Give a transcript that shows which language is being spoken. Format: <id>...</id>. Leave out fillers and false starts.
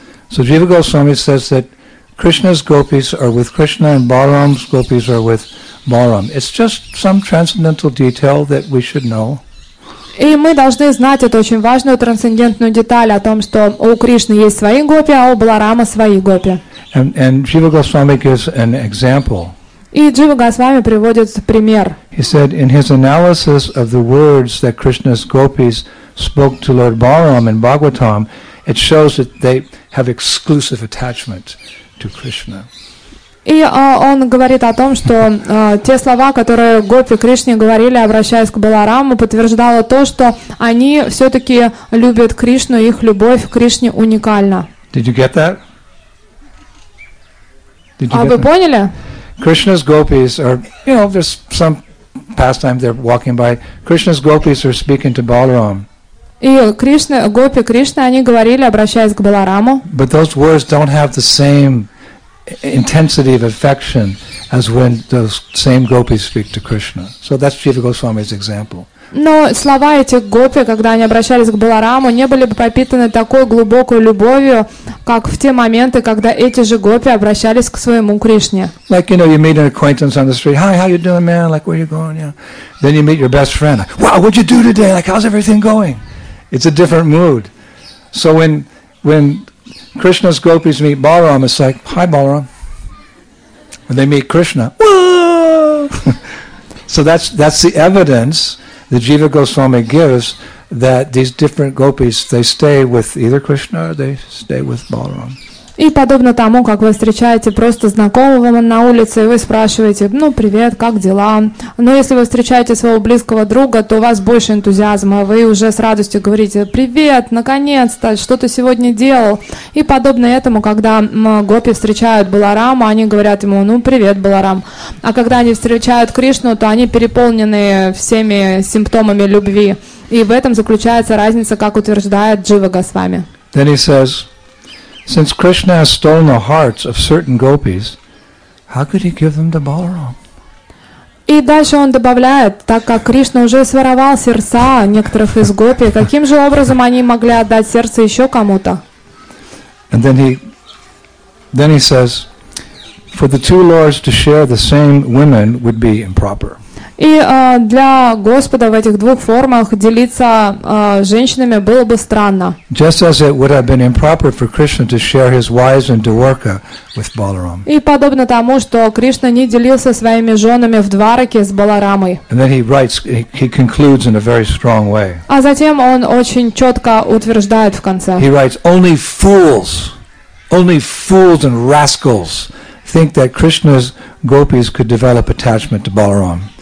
<en>So Jiva Goswami says that Krishna's gopis are with Krishna and Balaram's gopis are with Balaram. It's just some transcendental detail that we should know.</en> <ru>И мы должны знать эту очень важную трансцендентную деталь о том, что у Кришны есть свои гопи, а у Баларама свои гопи.</ru> <en>And Jiva Goswami gives an example.</en> <ru>И Джива Госвами приводит пример.</ru> <en>He said in his analysis of the words that Krishna's gopis spoke to Lord Balaram in Bhagavatam, it shows that they have exclusive attachment to Krishna.</en> <ru>И он говорит о том, что те слова, которые гопи Кришне говорили, обращаясь к Балараму, подтверждало то, что они все-таки любят Кришну, их любовь к Кришне уникальна.</ru> <en>Did you get that?</en> <ru>Вы поняли?</ru> <en>Krishna's gopis are, you know, there's some pastime they're walking by. Krishna's gopis are speaking to Balaram.</en> <ru>И Кришна, гопи Кришны, они говорили, обращаясь к Балараму.</ru> <en>But those words don't have the same intensity of affection as when those same gopis speak to Krishna. So that's Jiva Goswami's example.</en> <ru>Но слова этих гопи, когда они обращались к Балараму, не были бы пропитаны такой глубокой любовью, как в те моменты, когда эти же гопи обращались к своему Кришне.</ru> <en>Like, you know, you meet an acquaintance on the street. Hi, how you doing, man? Like, where you going? Yeah. Then you meet your best friend. Wow, what'd you do today? Like, how's everything going? It's a different mood. So when Krishna's gopis meet Balaram, it's like, hi, Balaram. When they meet Krishna, whoa! So that's the evidence that Jiva Goswami gives that these different gopis, they stay with either Krishna or they stay with Balaram.</en> <ru>И подобно тому, как вы встречаете просто знакомого на улице, и вы спрашиваете, ну, привет, как дела? Но если вы встречаете своего близкого друга, то у вас больше энтузиазма, вы уже с радостью говорите, привет, наконец-то, что ты сегодня делал? И подобно этому, когда гопи встречают Баларама, они говорят ему, ну, привет, Баларам. А когда они встречают Кришну, то они переполнены всеми симптомами любви. И в этом заключается разница, как утверждает Джива Госвами.</ru> <en>Then he says, since Krishna has stolen the hearts of certain gopis, how could he give them to Balaram?</en> <ru>И дальше он добавляет, так как Кришна уже своровал сердца некоторых из гопи, каким же образом они могли отдать сердце еще кому-то?</ru> <en>And then he says, for the two lords to share the same women would be improper.</en> <ru>И для Господа в этих двух формах делиться женщинами было бы странно.</ru> <en>Just as it would have been improper for Krishna to share his wives and Dwarka with Balaram.</en> <ru>И подобно тому, что Кришна не делился своими женами в Двараке с Баларамой.</ru> <en>And then he writes, he concludes in a very strong way.</en> <ru>А затем он очень четко утверждает в конце.</ru> <en>He writes, only fools and rascals think that Krishna's gopis could develop attachment to Balaram.</en>